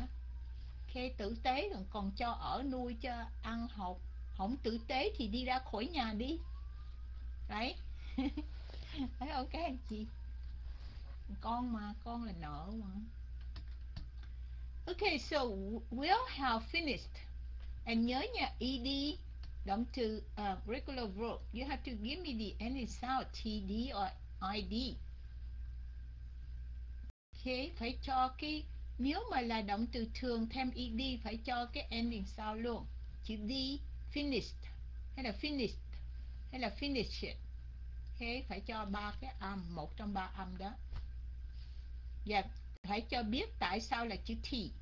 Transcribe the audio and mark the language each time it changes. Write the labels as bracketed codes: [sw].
[vi] Ok, tử tế rồi, còn cho ở nuôi cho ăn học, không tử tế thì đi ra khỏi nhà đi. Đấy. Đấy, ok anh chị. Con mà, con là nợ mà. [en] Okay, so we'll have finished. [vi] And nhớ nha, ED, động từ regular verb. [en] You have to give me the ending sound, TD or ID. [vi] Okay, phải cho cái, nếu mà là động từ thường thêm ED, phải cho cái ending sound luôn. Chữ D, finished, hay là finished, hay là finished. Okay, phải cho ba cái âm, một trong ba âm đó. Và phải cho biết tại sao là chữ T.